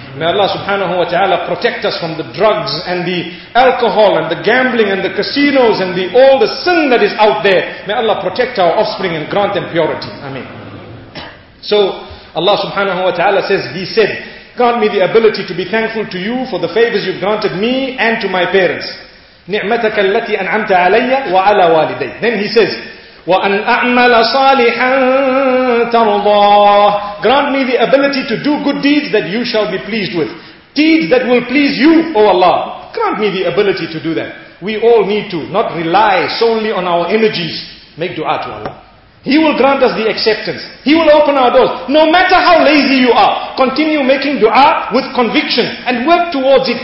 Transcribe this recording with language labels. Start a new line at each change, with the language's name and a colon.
English: May Allah subhanahu wa ta'ala protect us from the drugs and the alcohol and the gambling and the casinos and all the sin that is out there. May Allah protect our offspring and grant them purity. Ameen. So Allah subhanahu wa ta'ala says, he said, "Grant me the ability to be thankful to you for the favors you've granted me and to my parents."
Arabic: نِعْمَتَكَ الَّتِي أَنْعَمْتَ عَلَيَّ وَعَلَى وَالِدَيَّ.
English: Then he says,
Arabic: وَأَنْ أَعْمَلَ صَالِحًا تَرْضَاهُ.
English: Grant me the ability to do good deeds that you shall be pleased with. Deeds that will please you, O Allah. Grant me the ability to do that. We all need to not rely solely on our energies. Make dua to Allah. He will grant us the acceptance. He will open our doors. No matter how lazy you are, continue making dua with conviction and work towards it.